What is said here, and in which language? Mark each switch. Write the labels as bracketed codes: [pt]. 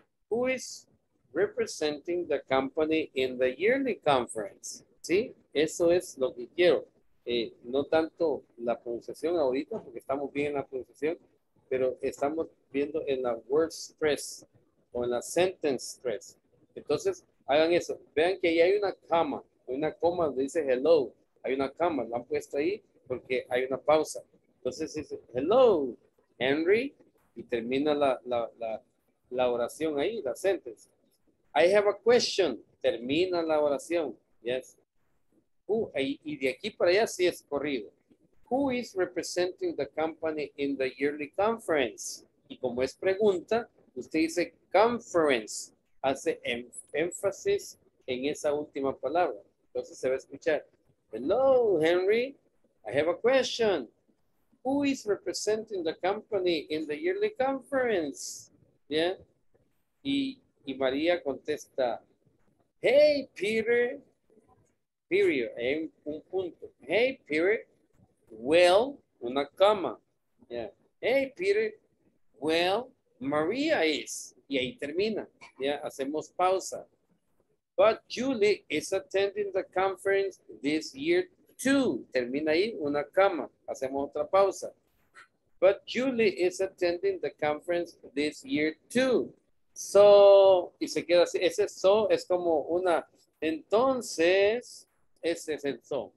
[en] Who is representing the company in the yearly conference? [es] ¿Sí? Eso es lo que quiero. No tanto la pronunciación ahorita, porque estamos bien en la pronunciación, pero estamos viendo en la [en] word stress [es] o en la [en] sentence stress. [es] Entonces, hagan eso. Vean que ahí hay una coma donde dice hello. Hay una coma, la han puesto ahí porque hay una pausa. Entonces dice, hello, Henry, y termina la oración ahí, la sentence. [en] I have a question, [es] termina la oración, [en] yes. [es] Y de aquí para allá sí es corrido. [en] Who is representing the company in the yearly conference? [es] Y como es pregunta, usted dice conference, hace énfasis en esa última palabra. Entonces se va a escuchar, [en] hello, Henry, I have a question. Who is representing the company in the yearly conference? [es] Yeah. Y María contesta, [en] hey, Peter. [es] Period, en un punto. [en] Hey, Peter. [es] Well, una coma. Yeah. Hey, Peter. [en] Well, María is. [es] Y ahí termina. Yeah. Hacemos pausa. [en] But Julie is attending the conference this year too. [es] Termina ahí, una coma. Hacemos otra pausa. [en] But Julie is attending the conference this year too. [es] So, y se queda así. Ese so es como una, entonces, ese es el so.